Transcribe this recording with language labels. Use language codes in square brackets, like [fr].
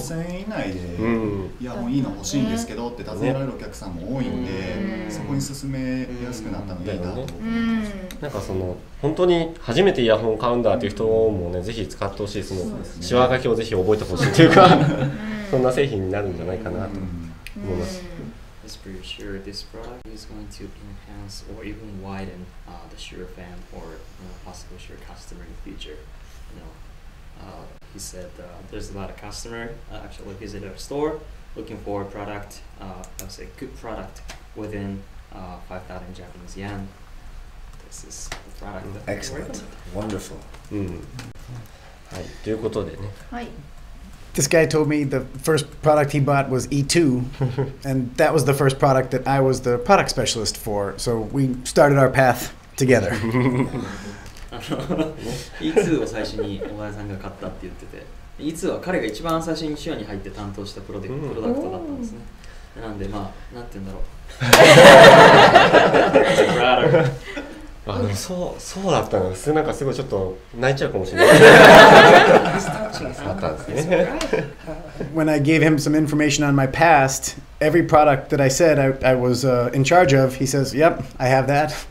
[ja] 5000円以内で、いやもういいの欲しいんですけどって尋ねられるお客さんも多いんで、そこに進めやすくなったのでいいなと。なんかその本当に初めてイヤホン買うんだっていう人もね、ぜひ使ってほしい。そのシワ書きをぜひ覚えてほしいというか、そんな製品になるんじゃないかなと思います。 [en] It's pretty sure this product is going to enhance or even widen the Shure fan or possible Shure customer in the future. You know, he said there's a lot of customer actually visit our store looking for a product, I would say good product within 5,000 Japanese yen. This is the product. Excellent. Wonderful. [ja] はい、ということでね。はい。 [en] This guy told me the first product he bought was E2, and that was the first product that I was the product specialist for, so we started our path together. [ja] E2 を最初に小林さんが買ったって言ってて、E2 は彼が一番最初にシュアに入って担当したプロダクトだったんですね。なんで、まあ、なんて言うんだろう。あの、そうだったの。なんかすごいちょっと泣いちゃうかもしれない。あったんですね。 [en] When I gave him some information on my past, every product that I said I was in charge of, he says, "Yep, I have that.